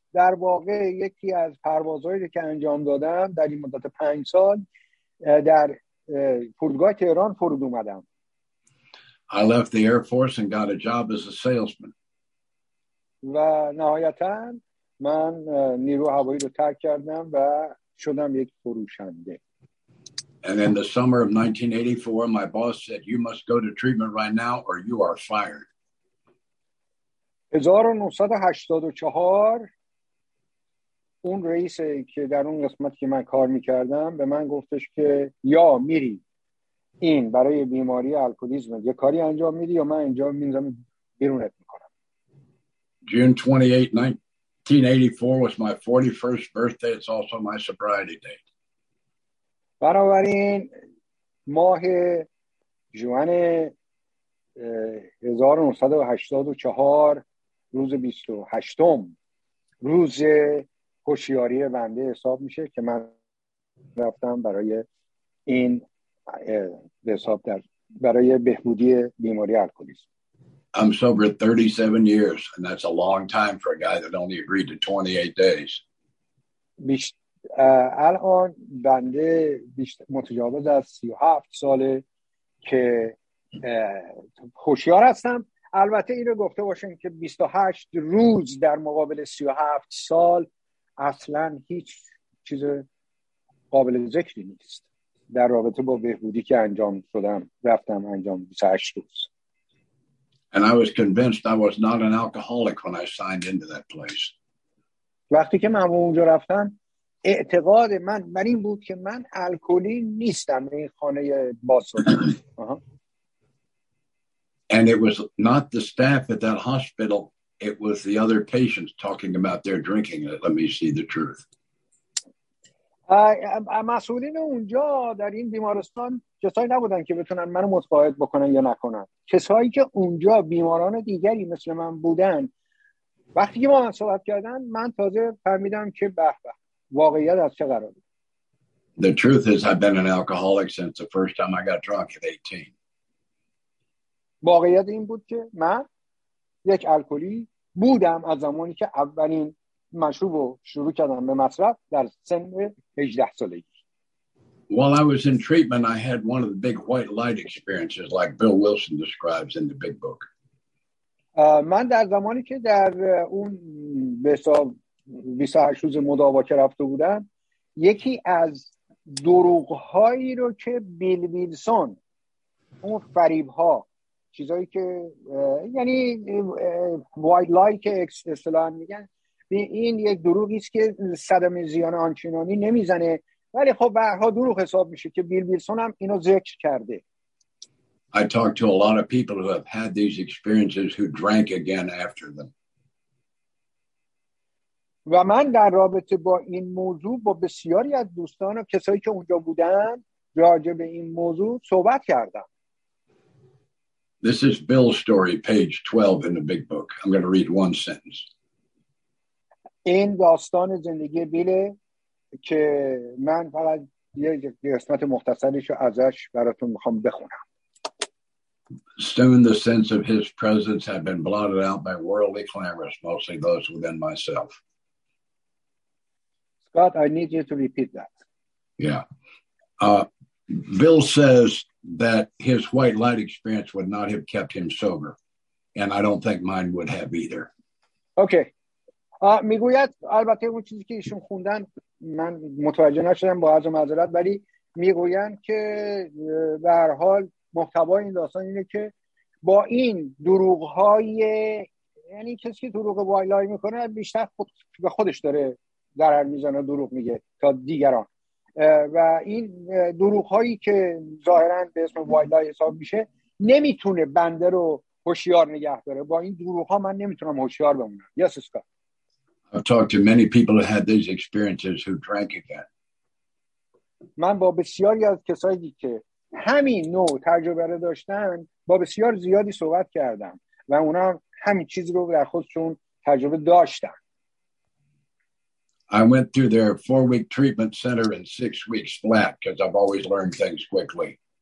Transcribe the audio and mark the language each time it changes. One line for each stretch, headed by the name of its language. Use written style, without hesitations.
Persian: در واقع یکی از پروازهایی که انجام دادم در این مدت 5 سال در فرودگاه تهران فرود اومدم.
English: I left the Air Force and got a job as a salesman.
Persian: و نهایتا من نیرو هوایی رو ترک کردم و شدم یک فروشنده.
English: And in the summer of 1984 my boss said you must go to treatment right now or you are fired.
Persian: 1984 اون رئیسی که در اون قسمتی که من کار میکردم به من گفتش که یا میری این برای بیماری الکلیزم یه کاری انجام میدی یا من اینجا میذارم بیرونت میکنم.
English: June 28, 1984 was my 41st birthday. It's also my sobriety date.
Persian: بنابراین ماه جوان 1984 روز 28م روز هوشیاری بنده حساب میشه که من رفتم برای این به حساب در برای بهبودی بیماری الکلیسم.
English: I'm sober 37 years and that's a long time for a guy that only agreed to 28 days.
Persian: الان بنده متجاوز از 37 ساله که هوشیار هستم. البته اینو گفته باشم که 28 روز در مقابل 37 سال اصلا هیچ چیز قابل ذکری نیست در رابطه با بهبودی که انجام شدم رفتم انجام 28 روز.
English: And I was convinced I was not an alcoholic when I signed into that place.
Persian: وقتی که من اونجا رفتم اعتقاد من بر این بود که من الکلی نیستم این خانه باسل.
English: And it was not the staff at that hospital, it was the other patients talking about their drinking. Let me see the truth.
Persian: مسئولین اونجا در این بیمارستان کسایی نبودن که بتونن منو متقاعد بکنن یا نکنن. کسایی که اونجا بیماران دیگری مثل من بودن وقتی که با من صحبت کردن من تازه فهمیدم که به به واقعیت از چه قراره.
English: The truth is I've been an alcoholic since the first time I got drunk at 18.
Persian: واقعیت این بود که من یک الکلی بودم از زمانی که اولین مشروب رو شروع کردم به مصرف در سن 18 سالگی.
English: While I was in treatment I had one of the big white light experiences like Bill Wilson describes in the big book.
Persian: من در زمانی که در اون به حساب 28 روز مداوا که رفته بودم یکی از دروغ‌هایی رو که بیل ویلسون اون فریب‌ها چیزایی که یعنی وایت لای که اصطلاحا میگن این یک دروغی است که صدم زیان آنچنانی نمیزنه ولی خب به هر حال دروغ حساب میشه که بیل ویلسون هم اینو ذکر کرده.
English: I talked to a lot of people who have had these experiences who drank again after them.
Persian: و من در رابطه با این موضوع با بسیاری از دوستان و کسایی که اونجا بودن راجع به این موضوع صحبت کردم.
English: This is Bill's story, page 12 in the big book. I'm going to read one sentence.
Persian: این داستان زندگی بیله که من فقط یه قسمت مختصریشو ازش براتون میخوام بخونم.
English: Soon the sense of his presence had been blotted out by worldly clamors, mostly those within myself. Scott, I need you to repeat that. Yeah. Bill says that his white light experience would not have kept him sober, and I don't think mine would have either. Okay.
Persian: میگوید البته اون چیزی که ایشون خوندن من متوجه نشدم با عرض معذرت ولی میگویند که به هر حال محتوای این داستان اینه که با این دروغ های یعنی کسی که دروغ وایت لای میکنه بیشتر خودش داره ضرر میزنه دروغ میگه تا دیگران و این دروغ هایی که ظاهرا به اسم وایلا حساب میشه نمیتونه بنده رو هوشیار نگه داره. با این دروغ ها من نمیتونم هوشیار بمونم.
English: Yes Scott. I've talked to many people who had these experiences who drank again.
Persian: من با بسیاری از کسایی که همین نوع تجربه رو داشتن با بسیار زیادی صحبت کردم و اونا همین چیز رو در خودشون تجربه داشتن.
English: I went through their 4-week treatment center in 6 weeks flat because I've always learned things quickly.